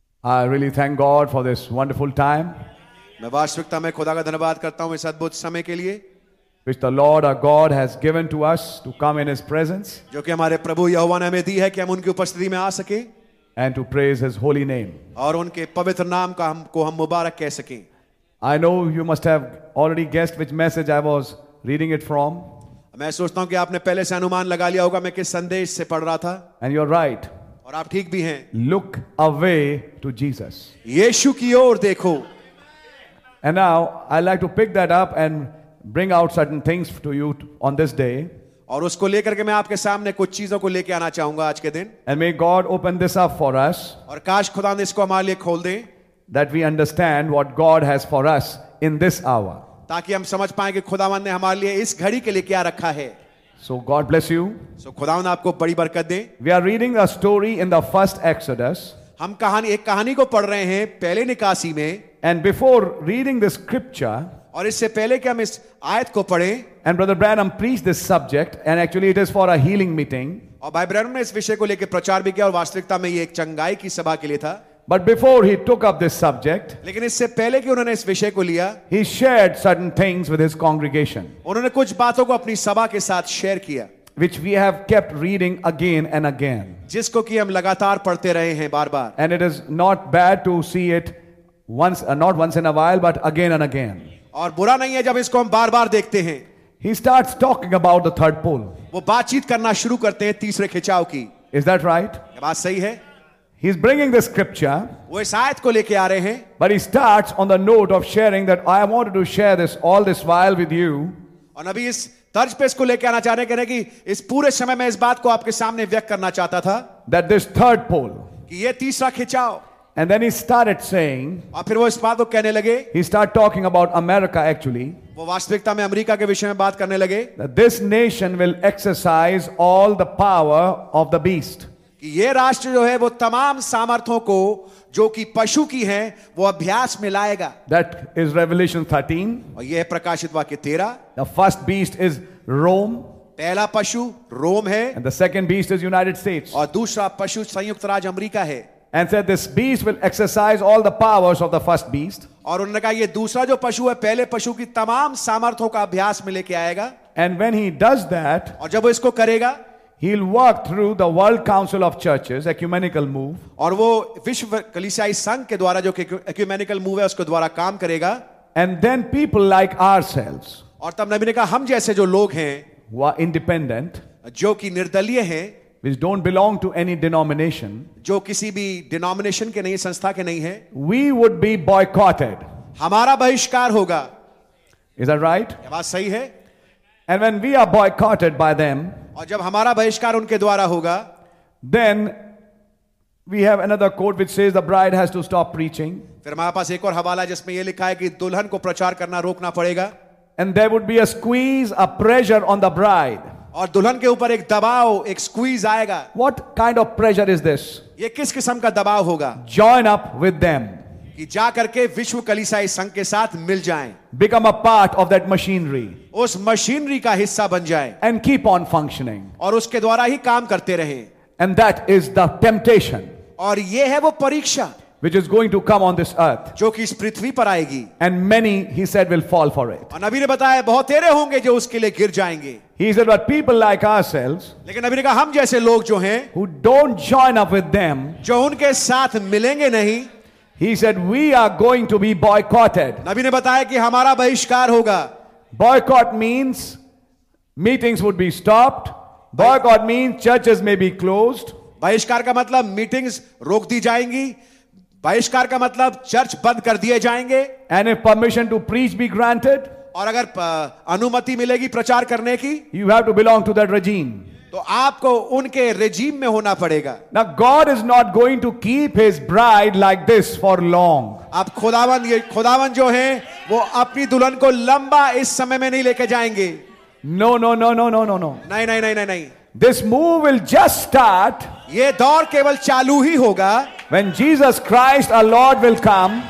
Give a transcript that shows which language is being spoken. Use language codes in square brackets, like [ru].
[en] I really thank God for this wonderful time. [hi] मैं वास्तविकता में खुदा का धन्यवाद करता हूं इस अद्भुत समय के लिए, [en] which the Lord our God has given to us to come in His presence. [hi] जो कि हमारे प्रभु यहोवा ने हमें दी है कि हम उनकी उपस्थिति में आ सकें, [en] and to praise His holy name. [hi] और उनके पवित्र नाम का हमको हम मुबारक कह सकें. [en] I know you must have already guessed which message I was reading it from. [hi] मैं सोचता हूं कि आपने पहले से अनुमान लगा लिया होगा मैं किस संदेश से पढ़ रहा था. [en] And you're right. [hi] और आप ठीक भी हैं. [en] Look away to Jesus. [hi] यीशु की ओर देखो. [en] And now I'd like to pick that up and bring out certain things to you on this day. [hi] और उसको लेकर के मैं आपके सामने कुछ चीजों को लेके आना चाहूंगा आज के दिन. [en] And may God open this up for us. [hi] और काश खुदा ने इसको हमारे लिए खोल दे. [en] That we understand what God has for us in this hour. [hi] ताकि हम समझ पाएं कि खुदावन ने हमारे लिए इस घड़ी के लिए क्या रखा है. [en] So God bless you. [hi] So खुदावन आपको बड़ी बरकत दे. [en] We are reading a story in the first Exodus. [hi] हम कहानी एक कहानी को पढ़ रहे हैं पहले निकासी में. [en] And before reading this scripture. [hi] और इससे पहले कि हम इस आयत को पढ़ें. [en] And Brother Branham preached this subject, and actually it is for a healing meeting. [hi] और भाई ब्रैनम ने इस विषय को लेकर प्रचार भी किया और वास्तविकता में ये एक चंगाई की सभा के लिए था. [en] But before he took up this subject, [hi] लेकिन इससे पहले कि उन्होंने इस विषय को लिया, [en] he shared certain things with his congregation. [hi] उन्होंने कुछ बातों को अपनी सभा के साथ शेयर किया, [en] which we have kept reading again and again. [hi] जिसको कि हम लगातार पढ़ते रहे हैं बार-बार. [en] And it is not bad to see it not once in a while, but again and again. [hi] और बुरा नहीं है जब इसको हम बार-बार देखते हैं. [en] He starts talking about the third pole. [hi] वो बातचीत करना शुरू करते हैं तीसरे खिंचाव की. [en] Is that right? [hi] ये बात सही है. [en] He's bringing the scripture. [hi] वो इस आयत को लेके आ रहे हैं. [en] But he starts on the note of sharing that I wanted to share this all this while with you. [hi] और अभी इस तर्ज पे इसको लेके आना चाहते हैं कि इस पूरे समय में इस बात को आपके सामने व्यक्त करना चाहता था. [en] That this third pole. [hi] कि ये तीसरा खिंचाव. [en] And then he started saying. [hi] और फिर वो इस बात को कहने लगे. [en] He started talking about America actually. [hi] वो वास्तविकता में अमेरिका के विषय में बात करने लगे. [en] That this nation will exercise all the power of the beast. [hi] कि ये राष्ट्र जो है वो तमाम सामर्थों को जो कि पशु की हैं वो अभ्यास में लाएगा. [en] That is Revelation 13. [hi] और ये है प्रकाशित वाक्य 13. [en] The first beast is Rome. [hi] पहला पशु रोम है. [en] And the second beast is United States. [hi] और दूसरा पशु संयुक्त राज्य अमेरिका है. [en] And said this beast will exercise all the powers of the first beast. [hi] और उन्होंने कहा ये दूसरा जो पशु है पहले पशु की तमाम सामर्थों का अभ्यास में लेके आएगा. [en] And when he does that. [hi] और जब वो इसको करेगा. [en] He'll work through the World Council of Churches, ecumenical move. [hi] और वो विश्व कलीसियाई संघ के द्वारा जो [en] ecumenical move [hi] है उसके द्वारा काम करेगा. [en] And then people like ourselves. [hi] और तब नबी ने कहा हम जैसे जो लोग हैं. [en] Who are independent. [hi] जो कि निर्दलीय हैं. [en] Which don't belong to any denomination. [hi] जो किसी भी denomination के नहीं संस्था के नहीं है. [en] We would be boycotted. [hi] हमारा बहिष्कार होगा. [en] Is that right? [hi] ये बात सही है. [en] And when we are boycotted by them. [hi] और जब हमारा बहिष्कार उनके द्वारा होगा. [en] Then we have another quote which says the bride has to stop preaching. [hi] फिर हमारे पास एक और हवाला जिसमें ये लिखा है कि दुल्हन को प्रचार करना रोकना पड़ेगा. [en] And there would be a squeeze, a pressure on the bride. [hi] और दुल्हन के ऊपर एक दबाव, एक स्क्वीज आएगा. [en] What kind of pressure is this? [hi] ये किस किस्म का दबाव होगा? [en] Join up with them. [hi] कि जा करके विश्व कलीसियाई संघ के साथ मिल जाएं. [en] Become a part of that machinery. [hi] उस मशीनरी का हिस्सा बन जाएं. [en] And keep on functioning. [hi] और उसके द्वारा ही काम करते रहें. [en] And that is the temptation. [hi] और ये है वो परीक्षा. [en] Which is going to come on this earth. [hi] जो कि इस पृथ्वी पर आएगी. [en] And many, he said, will fall for it. [hi] और नबी ने बताया बहुत तेरे होंगे जो उसके लिए गिर जाएंगे. [en] He said, but people like ourselves, [hi] लेकिन नबी ने कहा हम जैसे लोग जो हैं, [en] who don't join up with them, [hi] जो उनके साथ मिलेंगे नहीं, [en] he said, we are going to be boycotted. [hi] नबी ने बताया कि हमारा बहिष्कार होगा. [en] Boycott means meetings would be stopped. Boycott means churches may be closed. [hi] बहिष्कार का मतलब मीटिंग्स रोक दी जाएंगी. बहिष्कार का मतलब चर्च बंद कर दिए जाएंगे. [en] And if permission to preach be granted, [hi] और अगर अनुमति मिलेगी प्रचार करने की, [en] you have to belong to that regime. [hi] तो आपको उनके रेजीम में होना पड़ेगा. [en] Now God is not going to keep his bride like this for long. [hi] आप खुदावन, ये खुदावन जो हैं, वो अपनी दुल्हन को लंबा इस समय में नहीं लेके जाएंगे. [en] No, no, no, no, no, no, no. [hi] नहीं, नहीं, नहीं, नहीं, नहीं. [en] This move will just start. [hi] ये दौर केवल चालू ही होगा. [en] When Jesus Christ, our Lord, will come,